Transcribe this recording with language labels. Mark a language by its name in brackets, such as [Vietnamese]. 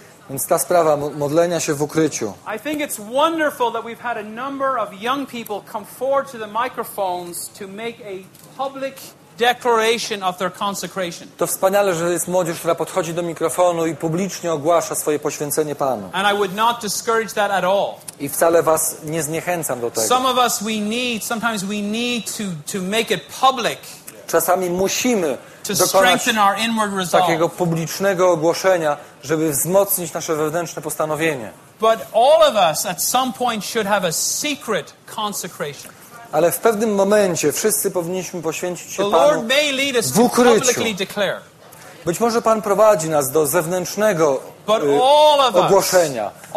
[Polish] Więc ta sprawa modlenia się w ukryciu. [English] I think it's wonderful that we've had a number of young people come forward to the microphones to make a public declaration of their consecration. [Polish] To wspaniale, że jest młodzież, która podchodzi do mikrofonu i publicznie ogłasza swoje poświęcenie Panu. [English] And I would not discourage that at all. [Polish] I wcale was nie zniechęcam do tego. [English] Some of us we need, sometimes we need to make it public. [Polish] Czasami musimy dokonać takiego publicznego ogłoszenia, żeby wzmocnić nasze wewnętrzne postanowienie. [English] But all of us at some point should have a secret consecration. [Polish] Ale w pewnym momencie wszyscy powinniśmy poświęcić się Panu w ukryciu. Być może Pan prowadzi nas do zewnętrznego ogłoszenia.